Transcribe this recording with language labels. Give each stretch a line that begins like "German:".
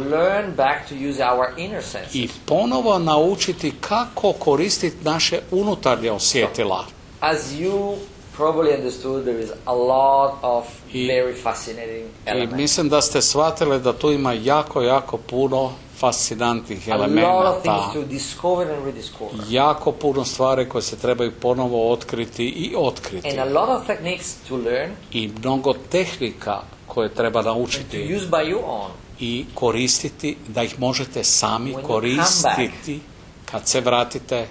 English: To learn back to use our inner senses.
Croatian: I ponovo naučiti kako koristiti naše unutarnje osjetila.
English: So, as you probably understood, there is a lot of very fascinating elements.
Croatian: I mislim da ste shvatili da tu ima jako, jako puno fascinantnih elemenata.
English: A lot of things to discover and rediscover.
Croatian: Jako puno stvari koje se trebaju ponovo otkriti i otkriti.
English: And a lot of techniques to learn.
Croatian: I mnogo tehnika koje treba naučiti.
English: And to use by you on.
Croatian: I koristiti, da ih možete sami
English: when
Croatian: koristiti kad se vratite